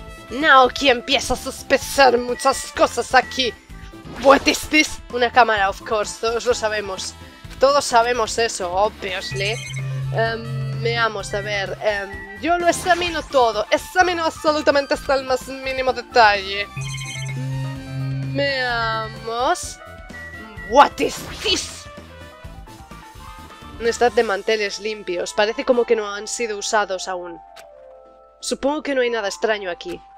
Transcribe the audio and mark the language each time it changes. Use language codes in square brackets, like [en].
[es] Naoki empieza a sospechar muchas cosas aquí. [en] What is this? [es] Una cámara, [en] of course. [es] Todos lo sabemos. Todos sabemos eso, obviously. Veamos, a ver. Yo lo examino todo. Examino absolutamente hasta el más mínimo detalle. Veamos. [en] What is this? [es] Un stack de manteles limpios. Parece como que no han sido usados aún. Supongo que no hay nada extraño aquí.